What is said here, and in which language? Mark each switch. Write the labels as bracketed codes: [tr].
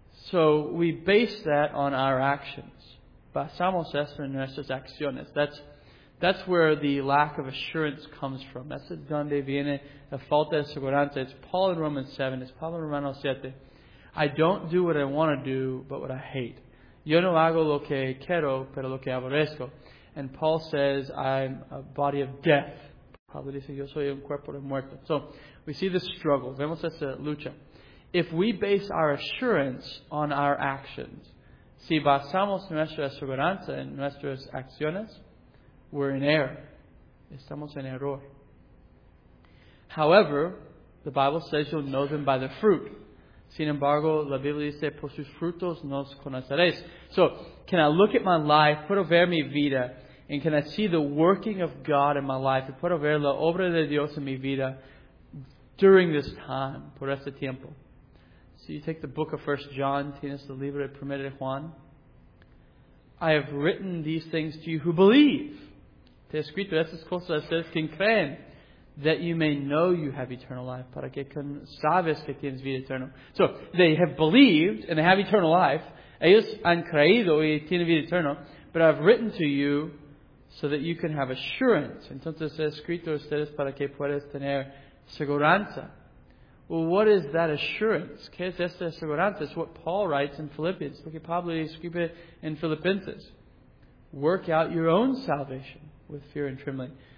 [en] So we base that on our actions. [es] Basamos eso en nuestras acciones. [en] That's where the lack of assurance comes from. That's [es] donde viene la falta de seguridad. [en] It's Paul in Romans 7. It's [es] Pablo en Romanos 7. [en] I don't do what I want to do, but what I hate. [es] Yo no hago lo que quiero, pero lo que aborrezco. [en] And Paul says, I'm a body of death. [es] Pablo dice, yo soy un cuerpo de muerte. [en] So, we see this struggle. [es] Vemos esta lucha. [en] If we base our assurance on our actions, [es] si basamos nuestra seguridad en nuestras acciones, [en] we're in error. [es] Estamos en error. [en] However, the Bible says you'll know them by the fruit. [es] Sin embargo, la Biblia dice, por sus frutos nos conoceréis. [en] So, can I look at my life, [es] puedo ver mi vida, [en] and can I see the working of God in my life, [es] y puedo ver la obra de Dios en mi vida [en] during this time, [es] por este tiempo? [en] So you take the book of 1 John, [es] tienes el libro de 1 Juan. [en] I have written these things to you who believe. [es] Te he escrito estas cosas a ustedes que creen, [en] that you may know you have eternal life, [es] para que sabes que tienes vida eterna. [en] So, they have believed, and they have eternal life. [es] Ellos han creído y tienen vida eterna. [en] But I've written to you so that you can have assurance. [es] Entonces, he escrito a ustedes para que puedas tener seguridad. [en] Well, what is that assurance? [es] ¿Qué es esta seguridad? [en] It's what Paul writes in Philippians. [es] Lo que Pablo escribe en Filipenses. [en] Work out your own salvation with fear and trembling.